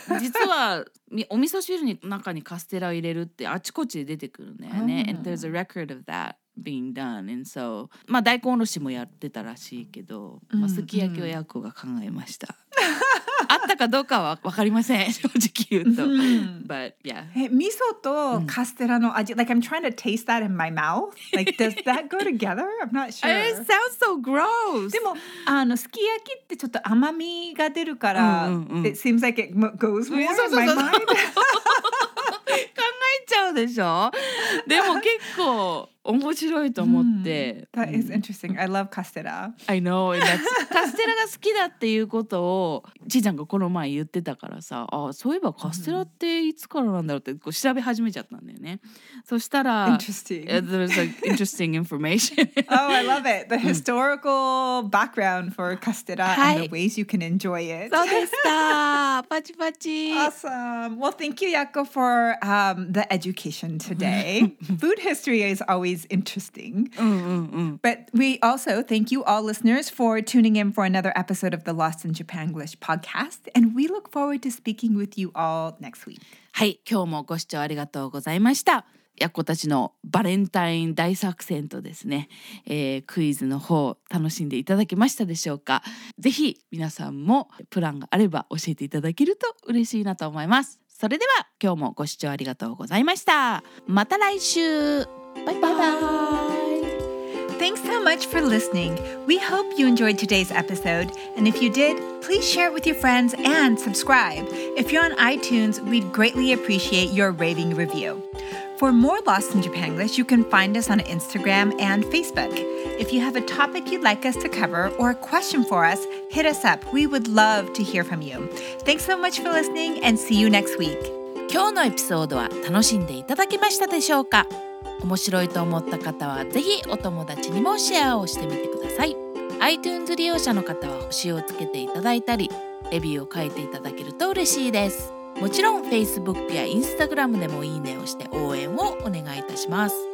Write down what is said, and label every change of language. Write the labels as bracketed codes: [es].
[ja] 実はお味噌汁の中にカステラを入れるってあちこちで出てくるんだよね。 [en] And there's a record of that being done. And so, [ja] まあ大根おろしもやってたらしいけど、まあ、すき焼きをヤコが考えました。あったかどうかは分かりません、正直言うと。 [en] But yeah. [ja] 味噌とカステラの味、 [en] like I'm trying to taste that in my mouth. Like, does that go together? I'm not sure. It sounds so gross. [ja] でも、あの、すき焼きってちょっと甘みが出るから、 [en] it seems like it goes more in my mind. [ja] 考えちゃうでしょ。でも結構面白いと思って。 [en] That is interesting. I love castera. I know. [ja] カステラが好きだっていうことをちーちゃんがこの前言ってたからさ、あ、そういえばカステラっていつからなんだろうってこう調べ始めちゃったんだよね。そしたら、 [en] interesting. There was like interesting information. Oh, I love it. The historical background for castera and the ways you can enjoy it. [ja] そうでした。パチパチ。 [en] Awesome. Well, thank you, Yako, for the education today. Food history is always interesting. But we also thank you all listeners for tuning in for another episode of the Lost in Japanglish podcast. And we look forward to speaking with you all next week. [ja] はい、今日もご視聴ありがとうございました。やっこたちのバレンタイン大作戦とですね、クイズの方楽しんでいただけましたでしょうか。ぜひ皆さんもプランがあれば教えていただけると嬉しいなと思います。それでは今日もご視聴ありがとうございました。また来週。Bye-bye. [en] Thanks so much for listening. We hope you enjoyed today's episode. And if you did, please share it with your friends and subscribe. If you're on iTunes, we'd greatly appreciate your raving review. For more Lost in Japanglish, you can find us on Instagram and Facebook. If you have a topic you'd like us to cover or a question for us, hit us up. We would love to hear from you. Thanks so much for listening and see you next week. [ja] 今日のエピソードは楽しんでいただけましたでしょうか?面白いと思った方はぜひお友達にもシェアをしてみてください。 iTunes 利用者の方は星をつけていただいたり、レビューを書いていただけると嬉しいです。もちろん Facebook や Instagram でもいいねをして応援をお願いいたします。